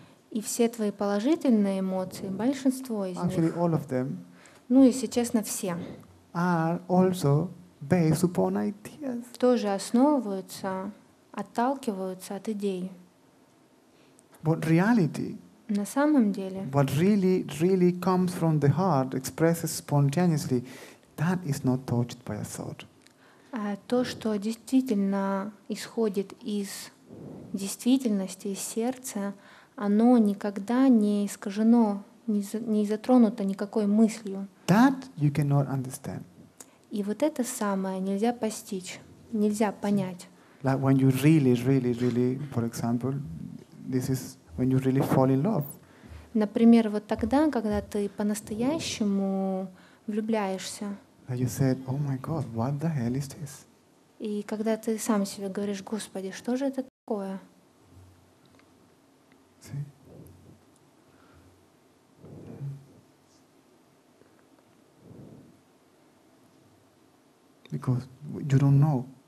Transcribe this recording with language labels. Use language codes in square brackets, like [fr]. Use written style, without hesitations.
[ru] И все твои положительные эмоции, большинство из [en] actually, [ru] них. [en] All of them. [ru] Ну, если честно, все. [en] Are also based upon ideas. [ru] Тоже основываются, отталкиваются от идей. [en] But reality. [ru] На самом деле. [en] What really, really comes from the heart, expresses spontaneously, that is not touched by a thought. [ru] То, что действительно исходит из действительности, из сердца, оно никогда не искажено, не затронуто никакой мыслью. [en] That you cannot understand. [ru] И вот это самое нельзя постичь, нельзя понять. [en] Like when you really, really, really, for example, this is when you really fall in love. [ru] Например, вот тогда, когда ты по-настоящему влюбляешься. [en] You said, "Oh my God, what the hell is this?" [ru] И когда ты сам себе говоришь, Господи, что же это такое? [en] Because you don't know.